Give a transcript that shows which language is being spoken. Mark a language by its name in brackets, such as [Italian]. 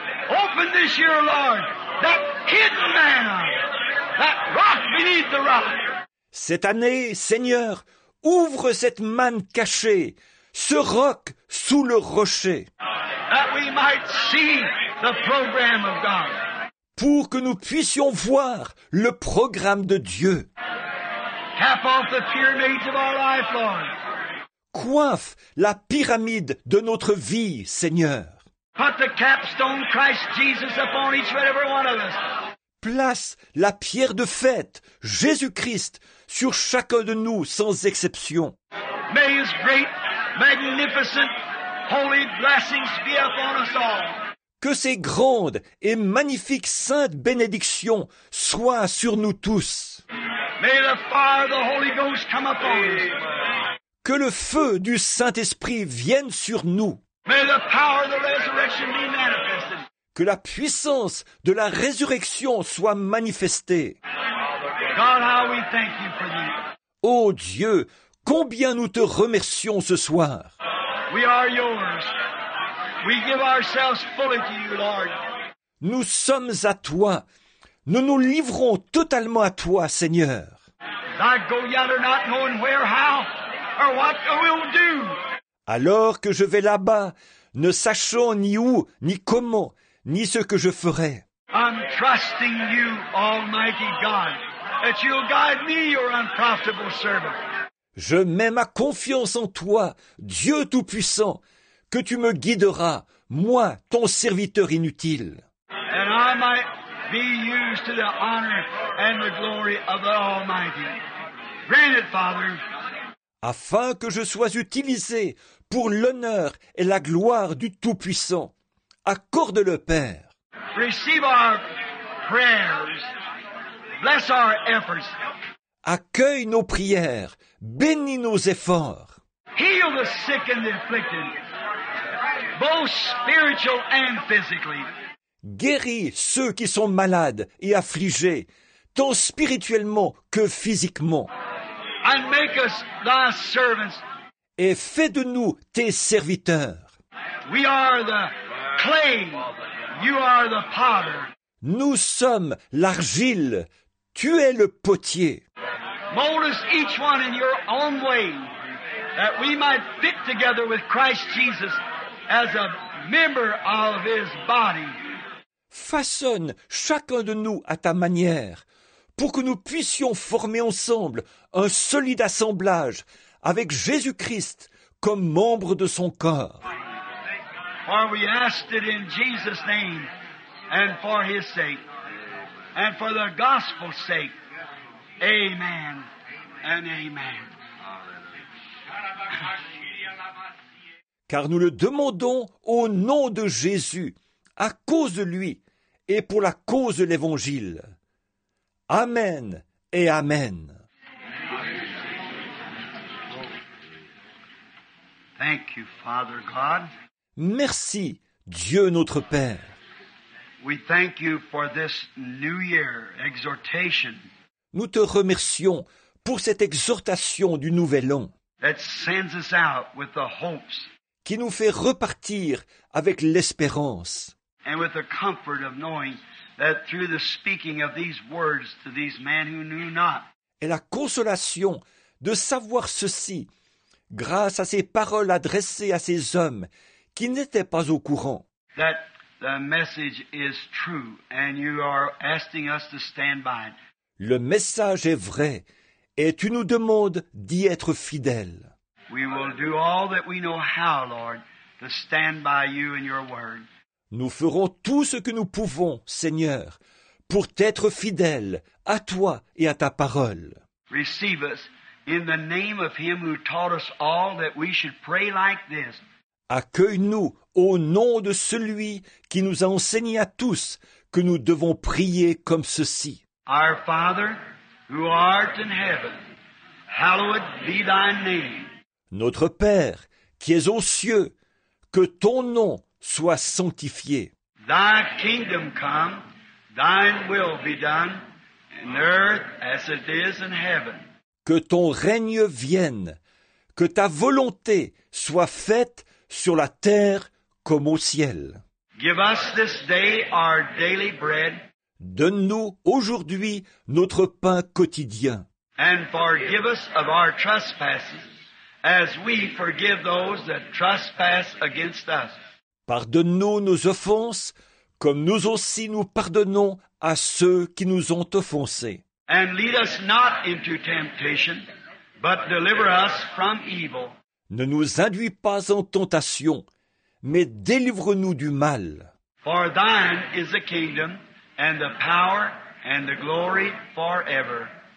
[English] Open this year, Lord, that hidden man, that rock beneath the rock. [French] Cette année, Seigneur, ouvre cette manne cachée, ce roc sous le rocher. [English] That we might see the program of God. [French] Pour que nous puissions voir le programme de Dieu. [English] Cap off the pyramids of our life, Lord. [French] Coiffe la pyramide de notre vie, Seigneur. [English] Put the capstone Christ Jesus upon each and every one of us. [French] Place la pierre de fête, Jésus-Christ, sur chacun de nous sans exception. [English] May his great, magnificent, holy blessings be upon us all. [French] Que ces grandes et magnifiques saintes bénédictions soient sur nous tous. [English] May the fire of the Holy Ghost come upon us. [French] Que le feu du Saint-Esprit vienne sur nous. [English] May the power of the resurrection be manifested. [French] Que la puissance de la résurrection soit manifestée. [English] God, how we thank you for this. [French] Ô Dieu, combien nous te remercions ce soir. [English] We are yours. We give ourselves fully to you, Lord. [French] Nous sommes à toi. Nous nous livrons totalement à toi, Seigneur. [English] I go yonder not knowing where, how, or what I will do. [French] Alors que je vais là-bas, ne sachant ni où, ni comment, ni ce que je ferai. [English] I'm trusting you, Almighty God, that you'll guide me, your unprofitable servant. [French] Je mets ma confiance en toi, Dieu Tout-Puissant, que tu me guideras, moi, ton serviteur inutile. [English] And I might be used to the honor and the glory of the Almighty. Grant it, Father. [French] Afin que je sois utilisé pour l'honneur et la gloire du Tout-Puissant. Accorde-le, Père. [English] Receive our prayers. Bless our efforts. [French] Accueille nos prières. Bénis nos efforts. [English] Heal the sick and the afflicted. Both spiritual and physically. [French] Guéris ceux qui sont malades et affligés, tant spirituellement que physiquement. [English] And make us thy servants. [French] Et fais de nous tes serviteurs. [English] We are the clay, you are the potter. [French] Nous sommes l'argile, tu es le potier. [English] Mold us each one in your own way, that we might fit together with Christ Jesus. As a member of his body. [French] Façonne chacun de nous à ta manière, pour que nous puissions former ensemble un solide assemblage avec Jésus-Christ comme membre de son corps. [English] For we asked it in Jesus' name, and for his sake, and for the gospel's sake. Amen and amen. [French] Car nous le demandons au nom de Jésus, à cause de lui et pour la cause de l'Évangile. Amen et amen. [English] Thank you, Father God. [French] Merci, Dieu notre Père. [English] We thank you for this new year exhortation. [French] Nous te remercions pour cette exhortation du nouvel an. [English] That sends us out with the hopes. [French] Qui nous fait repartir avec l'espérance. [English] And with the comfort of knowing that through the speaking of these words to these men who knew not. [French] Et la consolation de savoir ceci grâce à ces paroles adressées à ces hommes qui n'étaient pas au courant. [English] That the message is true and you are asking us to stand by it. [French] Le message est vrai et tu nous demandes d'y être fidèles. [English] We will do all that we know how, Lord, to stand by you and your word. [French] Nous ferons tout ce que nous pouvons, Seigneur, pour t'être fidèle à toi et à ta parole. [English] Receive us in the name of him who taught us all that we should pray like this. [French] Accueille-nous au nom de celui qui nous a enseigné à tous que nous devons prier comme ceci. [English] Our Father, who art in heaven, hallowed be thy name. [French] Notre Père, qui es aux cieux, que ton nom soit sanctifié. [English] Thy kingdom come, thine will be done, in earth as it is in heaven. [French] Que ton règne vienne, que ta volonté soit faite sur la terre comme au ciel. [English] Give us this day our daily bread. [French] Donne-nous aujourd'hui notre pain quotidien. [English] And forgive us of our trespasses, as we forgive those that trespass against us. [French] Pardonne-nous nos offenses, comme nous aussi nous pardonnons à ceux qui nous ont offensés. [English] And lead us not into temptation, but deliver us from evil. [French] Ne nous induis pas en tentation, mais délivre-nous du mal. [English] For thine is the kingdom, and the power, and the glory forever.